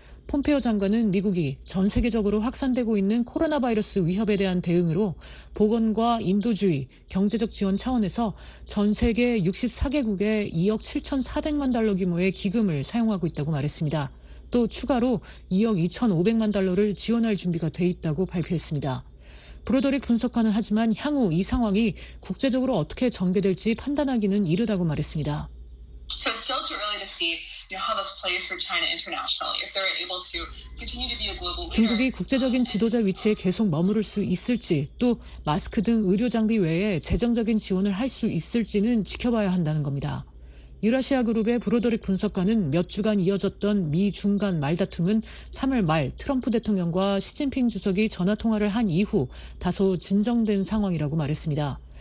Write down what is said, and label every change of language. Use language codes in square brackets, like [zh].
[ko] 폼페이오 장관은 미국이 전 세계적으로 확산되고 있는 코로나 바이러스 위협에 대한 대응으로 보건과 인도주의, 경제적 지원 차원에서 전 세계 64개국에 2억 7,400만 달러 규모의 기금을 사용하고 있다고 말했습니다. 또 추가로 2억 2,500만 달러를 지원할 준비가 돼 있다고 발표했습니다. 브로더릭 분석관은 하지만 향후 이 상황이 국제적으로 어떻게 전개될지 판단하기는 이르다고 말했습니다. [en] So it's still too early to see. You know, how this plays for China internationally. If they're able to continue to be a global leader. [ko] 중국이 국제적인 지도자 위치에 계속 머무를 수 있을지, 또 마스크 등 의료 장비 외에 재정적인 지원을 할 수 있을지는 지켜봐야 한다는 겁니다. 유라시아 그룹의 브로더릭 분석관은 몇 주간 이어졌던 미 중 간 말다툼은 3월 말 트럼프 대통령과 시진핑 주석이 전화 통화를 한 이후 다소 진정된 상황이라고 말했습니다.